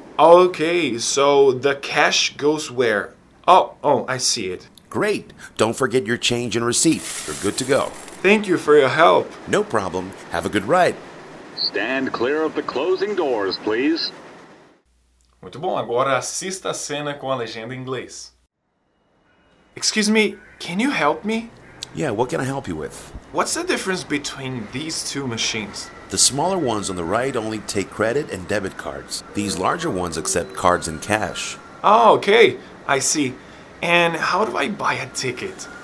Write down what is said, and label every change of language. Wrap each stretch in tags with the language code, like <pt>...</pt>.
<en>Okay, so the cash goes where? Oh, I see it. Great. Don't forget your change and receipt. You're good to go. Thank you for your help. No problem. Have a good ride. Stand clear of the closing doors, please.</en> <pt>Muito bom. Agora assista a cena com a legenda em inglês.</pt> <en>Excuse me, can you help me? Yeah, what can I help you with? What's the difference between these two machines? The smaller ones on the right only take credit and debit cards. These larger ones accept cards and cash. Oh, okay. I see. And how do I buy a ticket?</en>